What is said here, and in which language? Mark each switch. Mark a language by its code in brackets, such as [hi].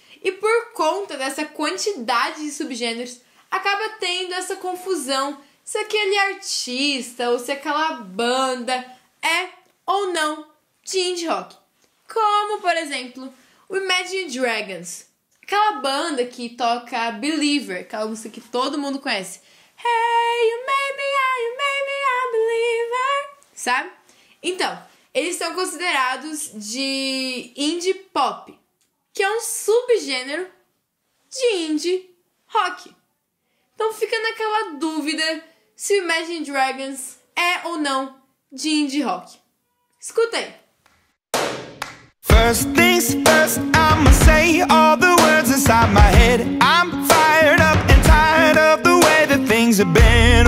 [pt] E por conta dessa quantidade de subgêneros, acaba tendo essa confusão se aquele artista ou se aquela banda é ou não de indie rock. Como, por exemplo, o Imagine Dragons. Aquela banda que toca Believer, aquela música que todo mundo conhece. [en] Hey, you made me a believer. [pt] Sabe? Então, eles são considerados de indie pop, que é um subgênero de indie rock. Então fica naquela dúvida se Imagine Dragons é ou não de indie rock. Escuta aí. [en] First things first, I'ma say all the words inside my head. I'm fired up and tired of the way that things have been.